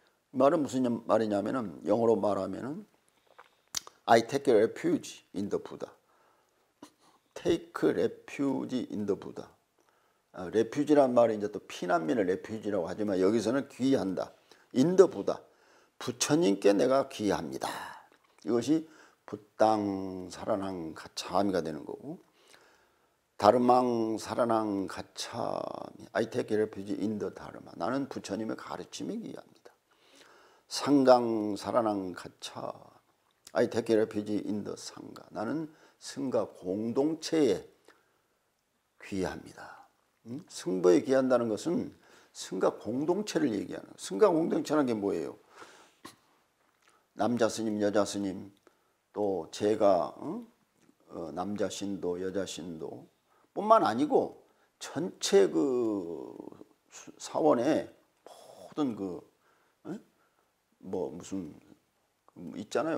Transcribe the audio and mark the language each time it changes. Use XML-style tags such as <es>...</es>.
<ko>말은 무슨 말이냐면은 영어로 말하면은</ko> <en>I take refuge in the Buddha. Take refuge in the Buddha.</en> <ko>아, refuge란 말은 이제 또 피난민을 refuge라고 하지만 여기서는 귀의한다.</ko> <en>In the Buddha.</en> <ko>부처님께 내가 귀의합니다. 이것이</ko> <pi>부당 사라낭 가참이가</pi> <ko>되는 거고.</ko> <pi>다르망 사라낭 가참이.</pi> <en>I take refuge in the Dharma.</en> <ko>나는 부처님의 가르침에 귀의합니다.</ko> <pi>상강 사라낭 가참이.</pi> <en>I take refuge in the Sangha.</en> <ko>나는 승가 공동체에 귀의합니다. 승부에 귀한다는 것은 승가 공동체를 얘기하는 거예요. 승가 공동체라는 게 뭐예요? 남자 스님, 여자 스님, 또 제가 남자 신도, 여자 신도 뿐만 아니고 전체 그 사원의 모든 그 뭐 무슨 있잖아요.</ko>